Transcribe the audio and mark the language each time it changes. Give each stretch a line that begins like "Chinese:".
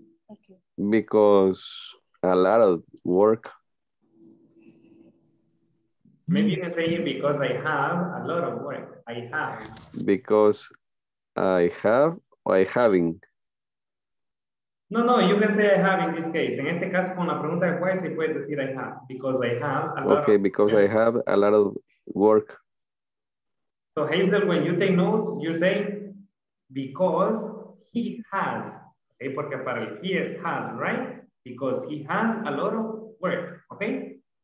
English: Okay. Because a lot of work. Maybe you can say it because I have a lot of work. I have. Because I have or I having. No, no, you can say I have in this case.
Spanish: En este caso, con la pregunta de why, sí puedes decir
English: I have. Because I have a lot of work. Okay, because I have a lot of work. So Hazel, when you take notes, you say, because he has. Okay,
Spanish: porque para el
English: he is has, right? Because he has a lot of work, okay?